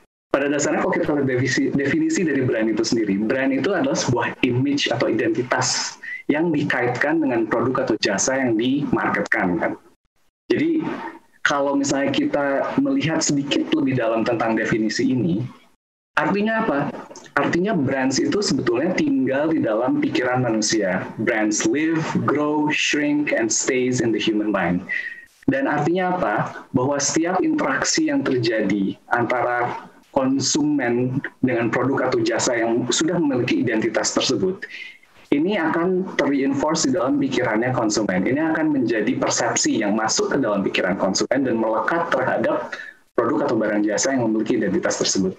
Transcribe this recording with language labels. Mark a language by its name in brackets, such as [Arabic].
[Indonesian] Pada dasarnya kalau kita lihat definisi dari brand itu sendiri, brand itu adalah sebuah image atau identitas yang dikaitkan dengan produk atau jasa yang dimarketkan, kan. Jadi kalau misalnya kita melihat sedikit lebih dalam tentang definisi ini, artinya apa? Artinya brands itu sebetulnya tinggal di dalam pikiran manusia. [English] Brands live, grow, shrink, and stays in the human mind. [Indonesian] Dan artinya apa? Bahwa setiap interaksi yang terjadi antara konsumen dengan produk atau jasa yang sudah memiliki identitas tersebut, ini akan terreinforce di dalam pikirannya konsumen. Ini akan menjadi persepsi yang masuk ke dalam pikiran konsumen dan melekat terhadap produk atau barang jasa yang memiliki identitas tersebut.